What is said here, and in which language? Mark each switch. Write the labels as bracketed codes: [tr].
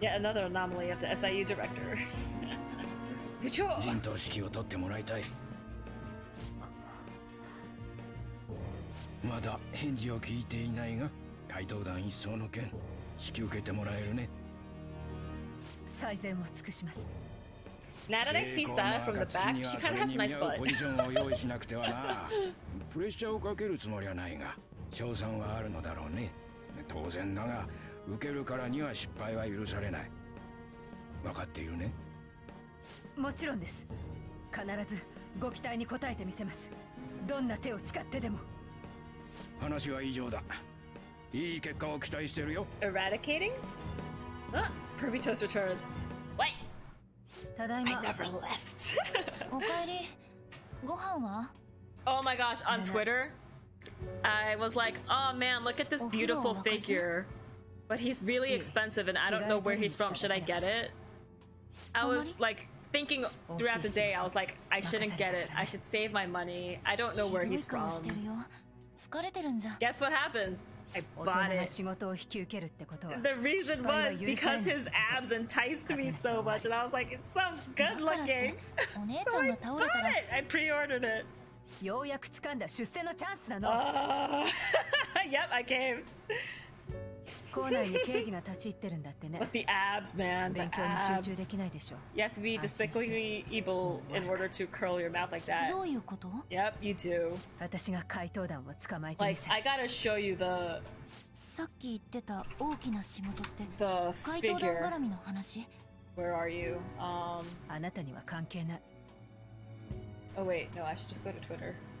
[en] Yet another anomaly of the SIU director. [ja] 部長。陣頭指揮を取ってもらいたい。まだ返事を聞いていないが、怪盗団一掃の件引き受けてもらえるね。最善を尽くします。 [en] Now that I see Sara from the back, she kind of has a nice butt. [ja] Position を用意しなくてはな。プレッシャーをかけるつもりはないが、賞賛はあるのだろうね。当然だが、受けるからには失敗は許されない。分かっているね。もちろんです。必ずご期待に応えてみせます。どんな手を使ってでも。話は以上だ。いい結果を期待してるよ。 [en] Eradicating? Pervy Toast returns. Wait. [ja] ただいま。 [en] I never left. [ja] おかえり。ご飯は？ [en] Oh my gosh, on Twitter, I was like, oh man, look at this beautiful figure. But he's really expensive and I don't know where he's from. Should I get it? I was like thinking throughout the day, I was like, I shouldn't get it. I should save my money. I don't know where he's from. Guess what happened? I bought it. The reason was because his abs enticed me so much, and I was like, it's so good looking. So I bought it. I pre-ordered it. [ja] ようやく掴んだ出世のチャンスなの。 [en] Yep, I came. [ja] 校内に刑事が立ち入ってるんだってね。 [en] But the abs, man. [ja] 勉強に集中できないでしょう。 [en] You have to be despicably evil in order to curl your mouth like that. [ja] どういうこと？ [en] Yep, you do. [ja] 私が怪盗団を捕まえてみせる。 [en] Like, I gotta show you the. [ja] さっき言ってた大きな仕事って。 [en] The figure. [ja] 怪盗団絡みの話？ [en] Where are you? [ja] あなたには関係ない。 [en] Oh wait, no. I should just go to Twitter.